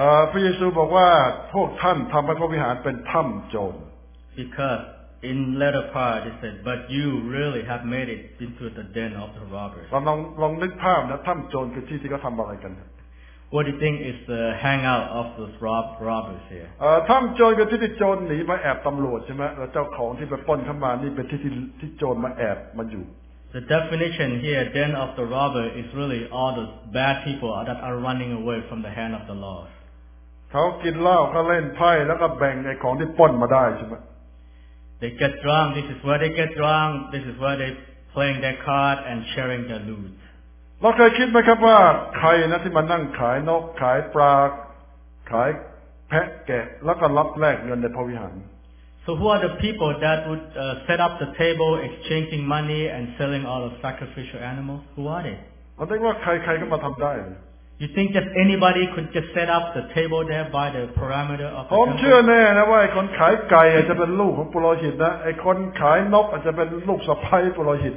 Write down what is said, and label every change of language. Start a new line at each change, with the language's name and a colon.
Thai: พระเยซูบอกว่าพวกท่านทำให้พระวิหารเป็นถ้ำโจร
English: becauseIn latter part, he said, but you really have made it into the den of the robbers.
Thai: ลองนึกภาพนะถ้ำโจรคือที่ที่เขาทำอะไรกัน
English: What do you think is the hangout of those robbers here?
Thai: ถ้ำโจรคือที่ที่โจรหนีมาแอบตำรวจใช่ไหมแล้วเจ้าของที่ไปปล้นเข้ามานี่เป็นที่โจรมาแอบมาอยู่
English: The definition here, den of the robber, is really all the bad people that are running away from the hand of the law.
Thai: เขากินเหล้าเขาเล่นไพ่แล้วก็แบ่งไอ้ของที่ปล้นมาได้ใช่ไหม
English: They get drunk. This is where they get drunk. This is where they playing their card and sharing their loot.
Thai: เราเคยคิดไหมครับว่าใครนะที่มานั่งขายนกขายปลาขายแพะแกะแล้วก็รับแลกเงินในพระวิหาร
English: So who are the people that would set up the table, exchanging money and selling all of sacrificial animals? Who are they? I think that anybody can do it. You think just anybody could just set up the table there by the parameter of the temple? I believe that the person who sells geese will be the son of Purohit.